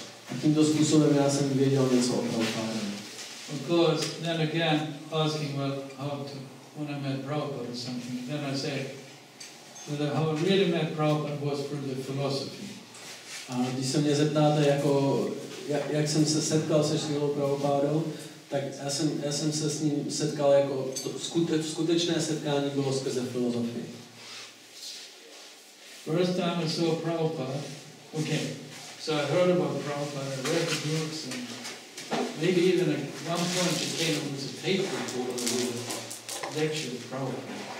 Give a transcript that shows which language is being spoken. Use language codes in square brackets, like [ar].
[cs] A tímto způsobem já jsem věděl něco o Prabhupádovi. [en] Of course, then again, asking what, how to, when I met Prabhupada or something, then I say, well, how I really met Prabhupada was through the philosophy. [cs] A když se mě zeptáte, jako, jak jsem se setkal se Šrílou Prabhupádou, tak já jsem se s ním setkal, jako skutečné setkání bylo skrze filozofii. [en] First time I saw Prabhupada, okay, so I heard about Prabhupada, I read the books, and maybe even at one point it came up as a paper for the lecture of Prabhupada.